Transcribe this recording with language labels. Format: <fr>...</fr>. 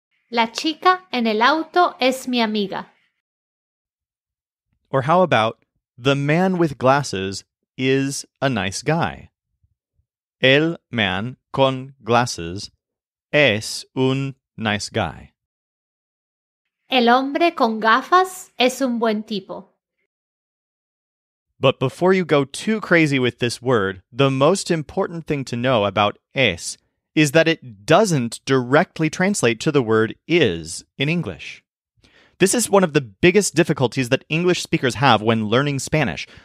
<es>La chica en el auto es mi amiga.</es> <en>Or how about the man with glasses is a nice guy?</en> <es>El man con glasses es un</es> <en>nice guy.</en> <es>El hombre con gafas es un buen tipo.</es> <en>But before you go too crazy with this word, the most important thing to know about es is that it doesn't directly translate to the word is in English. This is one of the biggest difficulties that English speakers have when learning Spanish.</en>